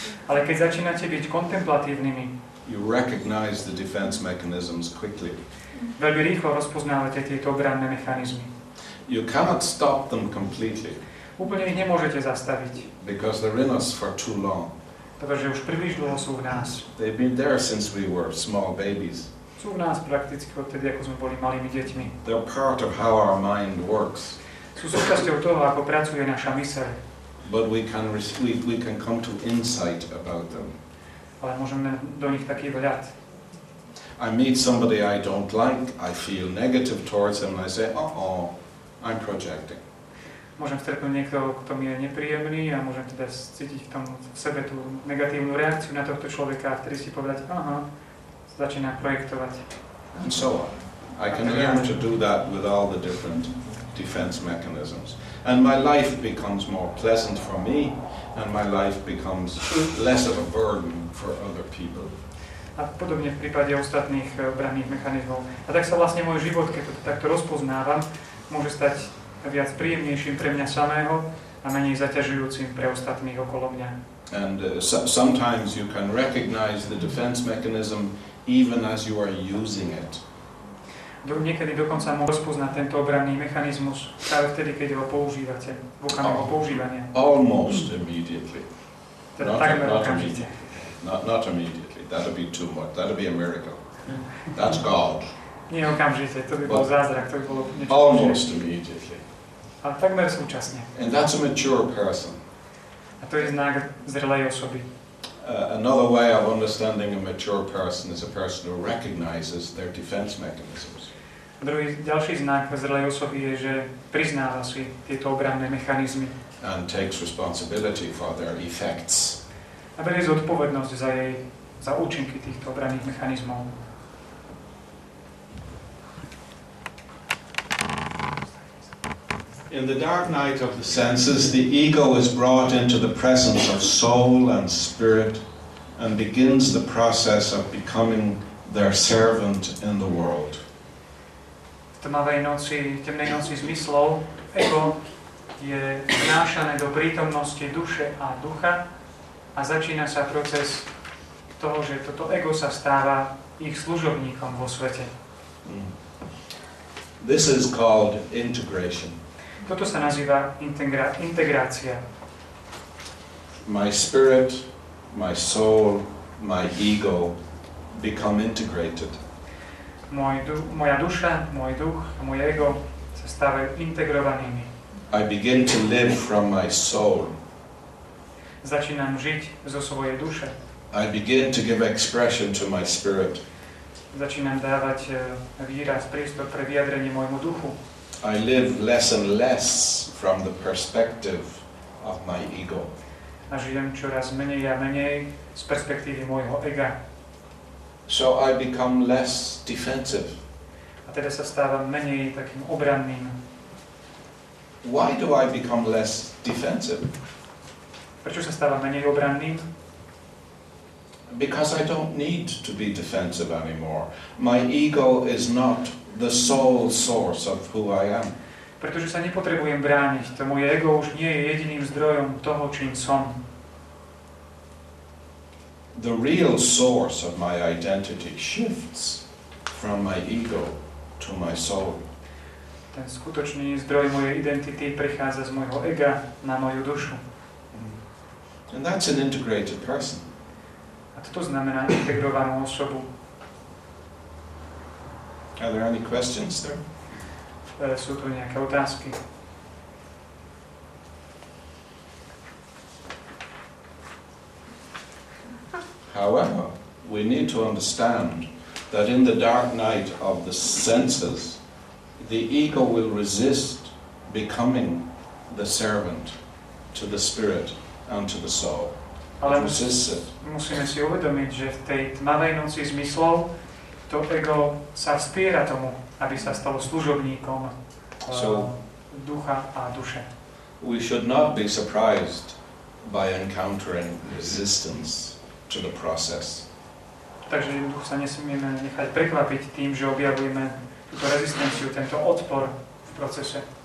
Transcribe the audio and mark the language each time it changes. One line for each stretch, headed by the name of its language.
Slovak: ale keď začínate byť kontemplatívnymi,
English: you recognize the defense mechanisms quickly.
Slovak: Veľmi rýchlo rozpoznávate tieto obranné mechanizmy.
English: You cannot stop them completely.
Slovak: Úplne ich nemôžete zastaviť.
English: Because they're in us for too long.
Slovak: Pretože už príliš dlho sú v nás.
English: They've been there since we were small babies.
Slovak: Sú v nás prakticky odtedy, ako sme boli malými deťmi.
English: They're part of how our mind works.
Slovak: Sú súčasťou toho, ako pracuje naša myseľ.
English: But we can come to insight about them.
Slovak: Ale môžeme do nich taký vhľad.
English: I meet somebody I don't like, I feel negative towards him, and I say, I'm projecting.
Slovak: Môžem stretnúť niekto, kto mi je nepríjemný, a môžem teda cítiť v sebe tú negatívnu reakciu na tohto človeka, a ktorý si povedať, začína projektovať.
English: And so on. I can learn to do that with all the different defense mechanisms. And my life becomes more pleasant for me, and my life becomes less of a burden for other people.
Slovak: A podobne v prípade ostatných obranných mechanizmov. A tak sa vlastne môj život, keď to takto rozpoznávam, môže stať viac príjemnejším pre mňa samého a menej zaťažujúcim pre ostatných okolo mňa.
English: And sometimes you can recognize the defense mechanism even as you are using it.
Slovak: druh niekedy dokonca môže spoznať tento obranný mechanizmus práve vtedy, keď ho používate, v okamihu používania.
English: Almost immediately.
Slovak: Teda takmer okamžite.
English: Not immediately, that'll be too much, that'll be a miracle. That's God.
Slovak: Nie okamžite, to by bol zázrak, to by bolo niečo.
English: Almost immediately.
Slovak: Ale takmer súčasne.
English: And that's a mature person.
Slovak: A to je znak zrelej osoby.
English: Another way of understanding a mature person is a person who recognizes their defense mechanisms.
Slovak: Druhý, ďalší znak zrelej osoby je, že priznáva si tieto obranné mechanizmy.
English: And takes responsibility for their effects.
Slovak: A berie zodpovednosť za jej, za účinky týchto obranných mechanizmov.
English: In the dark night of the senses, the ego is brought into the presence of soul and spirit and begins the process of becoming their servant in the world.
Slovak: V tmavej noci, temnej noci zmyslov, ego je vnášané do prítomnosti duše a ducha a začína sa proces toho, že toto ego sa stáva ich služobníkom vo svete.
English: This is called integration.
Slovak: Toto sa nazýva integrácia.
English: My spirit, my soul, my ego become integrated.
Slovak: Moja duša, môj duch a moje ego sa stávajú integrovanými.
English: I begin to live from my soul.
Slovak: Začínam žiť zo svojej duše.
English: I begin to give expression to my spirit.
Slovak: Začínam dávať výraz, priestor pre vyjadrenie môjmu duchu.
English: I live less and less from the perspective of my ego.
Slovak: A žijem čoraz menej a menej z perspektívy môjho ega.
English: So I become less defensive.
Slovak: A teda sa stávam menej takým obranným.
English: Why do I become less defensive?
Slovak: Prečo sa stávam menej obranným?
English: Because I don't need to be defensive anymore. My ego is not the sole source of who I am.
Slovak: Pretože sa nepotrebujem brániť, to moje ego už nie je jediným zdrojom toho, čím som.
English: The real source of my identity shifts from my ego to my soul.
Slovak: Ten skutočný zdroj mojej identity prichádza z mojho ega na moju dušu.
English: And that's an integrated person.
Slovak: A toto znamená integrovanú osobu.
English: Are there any questions there?
Slovak: Sú tu nejaké otázky?
English: However, we need to understand that in the dark night of the senses, the ego will resist becoming the servant to the spirit and to the soul.
Slovak: Ale
English: it resists it.
Slovak: Musíme si uvedomiť, že v tej tmavej noci zmyslov to ego sa vzpiera tomu, aby sa stalo služobníkom ducha a duše.
English: We should not be surprised by encountering resistance to the process.
Slovak: Takže jednoducho sa nesmieme nechať prekvapiť tým, že objavujeme túto rezistenciu, tento odpor v procese.